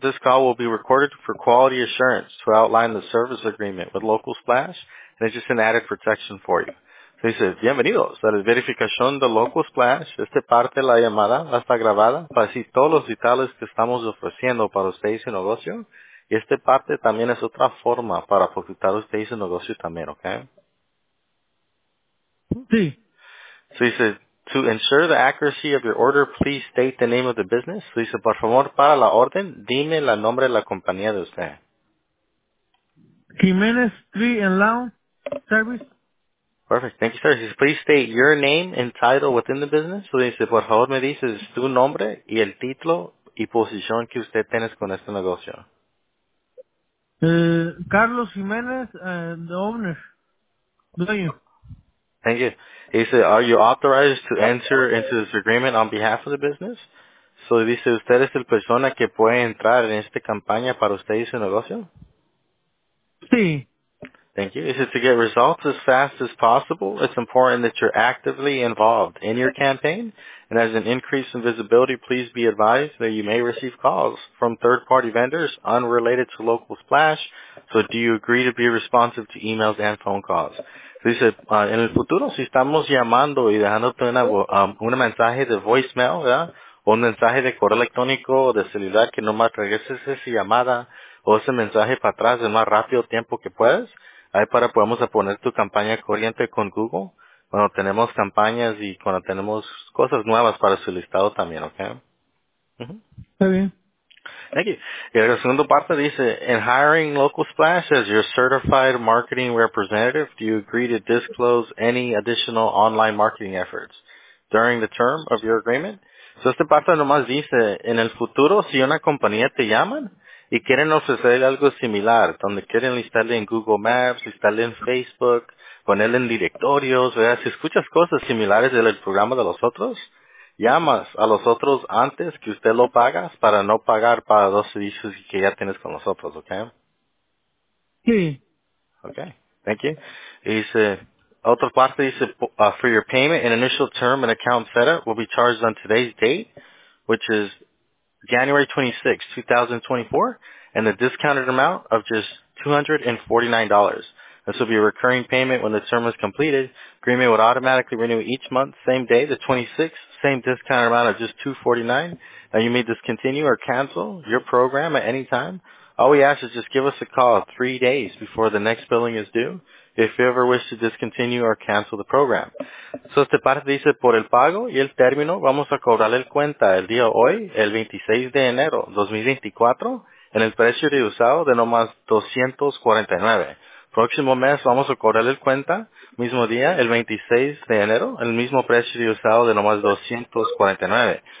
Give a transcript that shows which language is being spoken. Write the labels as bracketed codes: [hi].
[en] This call will be recorded for quality assurance to outline the service agreement with Local Splash, and it's just an added protection for you. [es] Se dice, bienvenidos a la verificación de Local Splash. Esta parte de la llamada va a estar grabada para decir todos los detalles que estamos ofreciendo para usted y su negocio. Y esta parte también es otra forma para facilitar usted y su negocio también, ¿ok? Sí. Se dice, [en] to ensure the accuracy of your order, please state the name of the business. [es] Se dice, por favor, para la orden, dime el nombre de la compañía de usted. [en] Jimenez Tree and Lounge Service. Perfect. Thank you, sir. Says, please state your name and title within the business. [es] So dice, por favor, me dices tu nombre y el título y posición que usted tienes con este negocio. [en] Carlos Jimenez, the owner. Thank you. He said, are you authorized to enter into this agreement on behalf of the business? [es] So dice, usted es la persona que puede entrar en esta campaña para usted y su negocio? Sí. [en] Thank you. He said, to get results as fast as possible, it's important that you're actively involved in your campaign. And as an increase in visibility, please be advised that you may receive calls from third-party vendors unrelated to Local Splash. So do you agree to be responsive to emails and phone calls? So he said, [es] en el futuro, si estamos llamando y dejándote un mensaje de voicemail, ¿verdad? O un mensaje de correo electrónico o de celular que nomás regreses esa llamada o ese mensaje para atrás el más rápido tiempo que puedas. Ahí para podemos poner tu campaña corriente con Google cuando tenemos campañas y cuando tenemos cosas nuevas para su listado también, ¿ok? Está bien. [en] Thank you. [es] Y la segunda parte dice, [en] in hiring Local Splash as your certified marketing representative, do you agree to disclose any additional online marketing efforts during the term of your agreement? [es] So esta parte nomás dice, en el futuro, si una compañía te llama y quieren ofrecerle algo similar, donde quieren listarle en Google Maps, listarle en Facebook, ponerle en directorios, ¿verdad? Si escuchas cosas similares del programa de los otros, llamas a los otros antes que usted lo pagas para no pagar para los servicios que ya tienes con los otros, ¿ok? Sí. [en] Ok, thank you. [es] Dice, otra parte dice, [en] for your payment, an initial term and account setup will be charged on today's date, which is January 26, 2024, and the discounted amount of just $249. This will be a recurring payment when the term is completed. Agreement would automatically renew each month, same day, the 26th, same discounted amount of just $249. Now, you may discontinue or cancel your program at any time. All we ask is just give us a call 3 days before the next billing is due if you ever wish to discontinue or cancel the program. [es] So, esta parte dice, por el pago y el término, vamos a cobrarle el cuenta el día hoy, el 26 de enero 2024, en el precio de usado de nomás $249. Próximo mes, vamos a cobrarle el cuenta, mismo día, el 26 de enero, el mismo precio de usado de nomás $249.